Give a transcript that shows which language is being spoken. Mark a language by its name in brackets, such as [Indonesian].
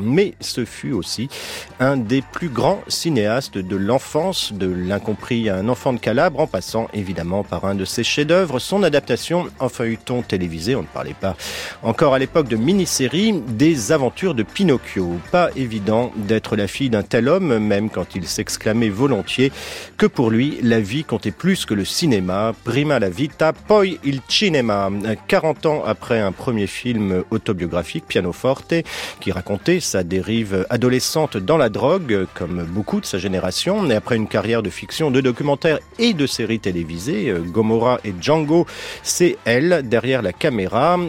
[French] Mais ce fut aussi un des plus grands cinéastes de l'enfance, de L'Incompris à un enfant de Calabre, en passant évidemment par un de ses chefs-d'œuvre, son adaptation en feuilleton télévisé, on ne parlait pas encore à l'époque de mini-série, Des Aventures de Pinocchio. Pas évident d'être la fille d'un tel homme, même quand il s'exclamait volontiers que pour lui, la vie comptait plus que le cinéma. [Italian] Prima la vita, poi il cinema. [French] 40 ans après un premier film autobiographique, Pianoforte, qui racontait sa dérive adolescente dans la drogue, comme beaucoup de sa génération, et après une carrière de fiction, de documentaires et de séries télévisées, Gomorra et Django, c'est elle derrière la caméra.